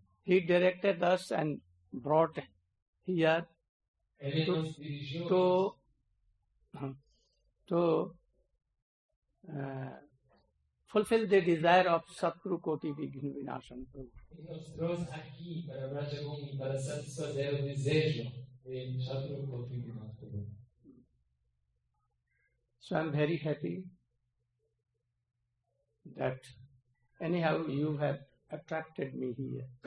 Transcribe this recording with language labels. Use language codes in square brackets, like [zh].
[en] He directed us and brought here to fulfill the desire of Shatrukoti Vighna Vinashan. He brought [pt] aqui para Vrajabhumi para satisfazer o desejo de Shatrukoti Vinashan. [en] So I am very happy that anyhow you have attracted me here.